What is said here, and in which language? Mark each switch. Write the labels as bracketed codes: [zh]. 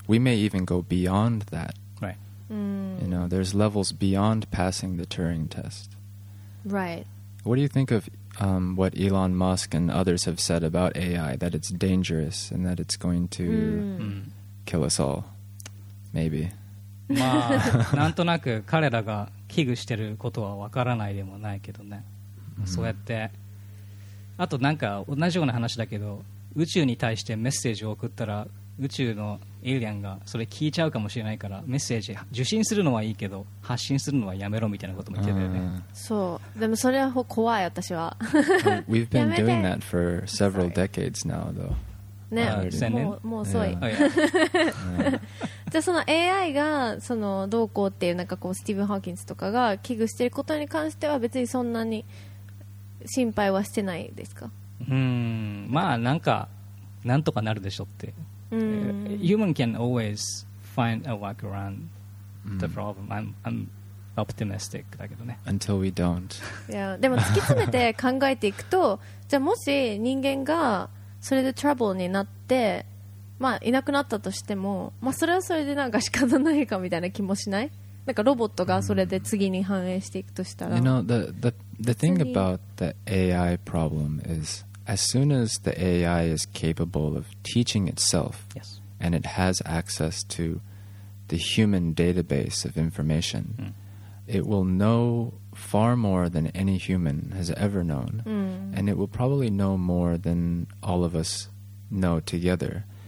[en] We may even go beyond that. Right. You know, there's levels beyond passing the Turing test. Right. What do you think of what Elon Musk and others have said about AI, that it's dangerous and that it's going to kill us all, maybe. [ja] まあなんとなく彼らが危惧してることはわからないでもないけどね。そうやって、あとなんか同じような話だけど、宇宙に対してメッセージを送ったら宇宙のエイリアンがそれ聞いちゃうかもしれないから、メッセージ受信するのはいいけど発信するのはやめろみたいなことも言ってたよね。そう、でもそれは怖い私は。 [en] We've been doing that for several decades now, though. [ja] ね、千年もう遅い、yeah. Oh, yeah. じゃあその AI がそのどうこうっていう、 なんかこうスティーブン・ハーキンスとかが危惧していることに関しては別にそんなに心配はしてないですか。まあなんかなんとかなるでしょって、 [en] Human can always find a workaround the problem、うん、I'm optimistic [ja] だけどね [en] until we don't。 [ja] いやでも突き詰めて考えていくとじゃあもし人間がそれでトラブルになってまあいなくなったとしても、まあ、それはそれでなんか仕方ないかみたいな気もしない。なんかロボットがそれで次に反映していくとしたら、 [en] You know, the thing about the AI problem is as soon as the AI is capable of teaching itself、 yes. and it has access to the human database of information、it will know far more than any human has ever known、and it will probably know more than all of us know together.